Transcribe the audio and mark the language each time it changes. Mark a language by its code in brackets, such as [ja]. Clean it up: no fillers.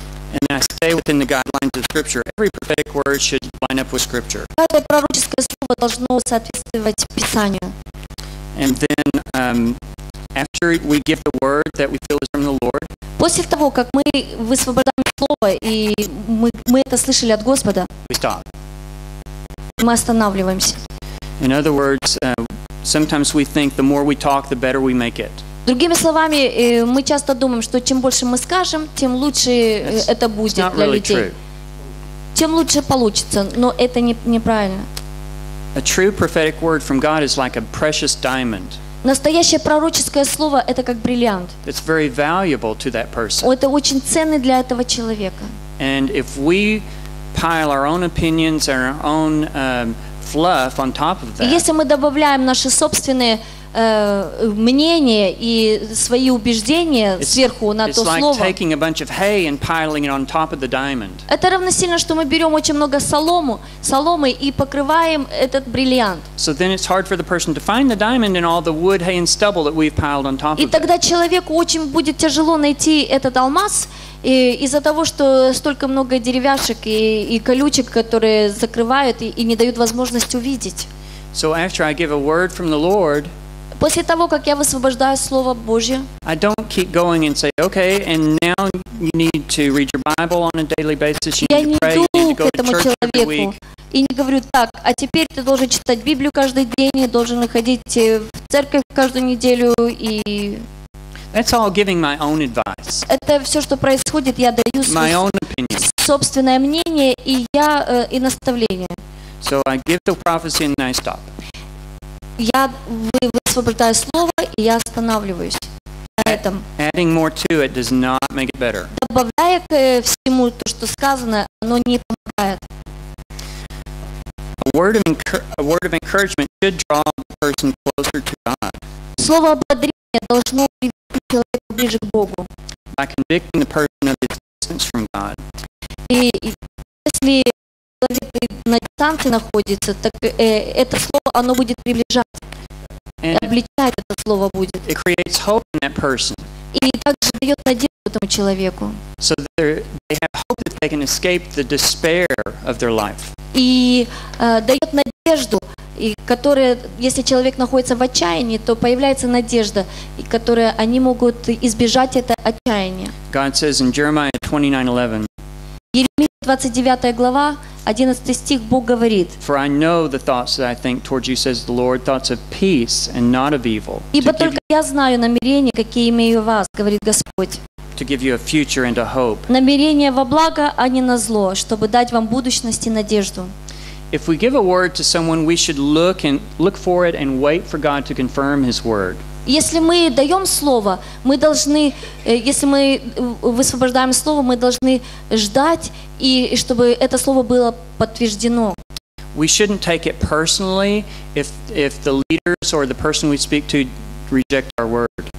[en] And I stay within the guidelines of Scripture. Every prophetic word should line up with Scripture. [ru] Каждое пророческое слово должно соответствовать Писанию. [en] And then after we give the word that we feel is from the Lord. [ru] После того, как мы высвобождаем слово и мы это слышали от Господа. [en] We stop. [ru] Мы останавливаемся. [en] In other words, sometimes we think the more we talk, the better we make it. [ru] Другими словами, мы часто думаем, что чем больше мы скажем, тем лучше это будет для [en] really [ru] людей. [en] True. [ru] Тем лучше получится, но это неправильно. [en] A true prophetic word from God is like a precious diamond. [ru] Настоящее пророческое слово – это как бриллиант. [en] It's very valuable to that person. [ru] Это очень ценно для этого человека. [en] And if we pile our own opinions, our own fluff on top of that. [ru] Если мы добавляем наши собственные мнения и свои убеждения сверху на то слово. [en] It's like taking a bunch of hay and piling it on top of the diamond. [ru] Это равносильно, что мы берем очень много соломы и покрываем этот бриллиант. [en] So then it's hard for the person to find the diamond and all the wood, hay and stubble that we've piled on top of it. [ru] И тогда человеку очень будет тяжело найти этот алмаз из-за того, что столько много деревяшек и колючек, которые закрывают и не дают возможность увидеть. [en] So after I give a word from the Lord. [ru] После того, как я высвобождаю Слово Божье, [en] I don't keep going and say, okay, and now you need to read your Bible on a daily basis. You [ru] я [en] need to pray, [ru] иду [en] you need to [ru] к этому человеку и не говорю так, а теперь ты должен читать Библию каждый день, должен ходить в церковь каждую неделю и... [en] That's all giving my own advice. [ru] Это все, что происходит, я даю свое собственное мнение и наставление. [en] So I give the prophecy and I stop. [ru] Я высвобождаю слово, и я останавливаюсь на этом. [en] Adding more to it does not make it better. [ru] Добавляя к всему то, что сказано, оно не помогает. [en] A word of encouragement should draw the person closer to God. [ru] Слово ободрения должно привести человека ближе к Богу. [en] By convicting the person of his distance from God. [ru] И если человек на дистанции находится, так это слово, оно будет приближать, обличать это слово будет. [en] It creates hope in that person. [ru] И также дает надежду этому человеку. [en] So they have hope that they can escape the despair of their life. [ru] И дает надежду, и которая, если человек находится в отчаянии, то появляется надежда, и которая они могут избежать это отчаяние. [en] God says in Jeremiah 29:11. [ru] Иеремия 29 глава, 11 стих, Бог говорит: [en] For I know the thoughts that I think towards you, says the Lord, thoughts of peace and not of evil. [ru] Ибо только я знаю намерения, какие имею вас, говорит Господь. [en] To give you a future and a hope. [ru] Намерения во благо, а не на зло, чтобы дать вам будущность и надежду. [en] If we give a word to someone, we should look for it and wait for God to confirm His word. [ru] Если мы даем слово, мы должны, если мы высвобождаем слово, мы должны ждать, и чтобы это слово было подтверждено. [en] We shouldn't take it personally if the leaders or the person we speak to reject our word.